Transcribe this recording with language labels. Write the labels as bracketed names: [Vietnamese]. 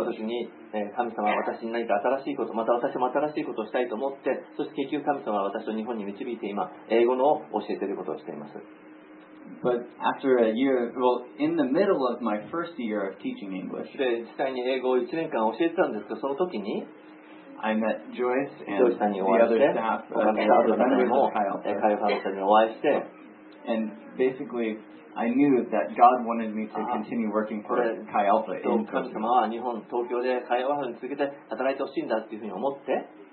[Japanese] その時に、神様は私に何か新しいこと、また私も新しいことをしたいと思って、そして結局神様は私を日本に導いて今、英語を教えていることをしています。 [English] But after a year, well, in the middle of my first year of teaching English, [Japanese] で、実際に英語を1年間教えてたんですけど、その時に、 [English] I met Joyce and the other staff, And basically, I knew that God wanted me to continue working for Chi Alpha. [Japanese] So, 神様は日本、東京でChi Alphaに続けて働いてほしいんだっていうふうに思って。